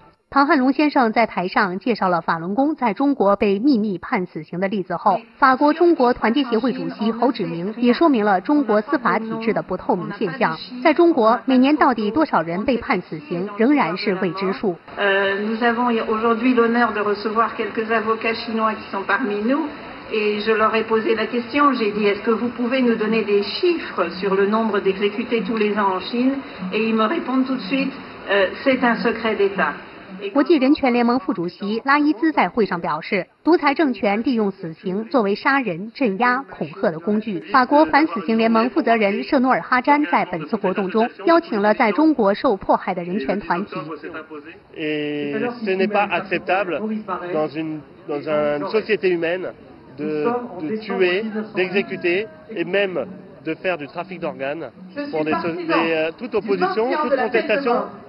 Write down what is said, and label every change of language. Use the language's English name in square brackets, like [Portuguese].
[Chinese] 唐汉龙先生在台上介绍了法轮功在中国被秘密判死刑的例子后，法国中国团结协会主席侯芷明也说明了中国司法体制的不透明现象。在中国，每年到底多少人被判死刑仍然是未知数。 [French] Nous avons aujourd'hui l'honneur de recevoir quelques avocats chinois qui sont parmi nous et je leur ai posé la question. J'ai dit, est-ce que vous pouvez nous donner des chiffres sur le nombre d'exécutés tous les ans en Chine? Et ils me répondent tout de suite, c'est un secret d'État. [Chinese] 国际人权联盟副主席拉伊兹在会上表示，独裁政权利用死刑作为杀人、镇压、恐吓的工具。法国反死刑联盟负责人舍诺尔哈詹在本次活动中邀请了在中国受迫害的人权团体。 [French] Ce n'est pas acceptable dans une société humaine de tuer, d'exécuter et même de faire du trafic d'organes pour toute opposition, toute contestation.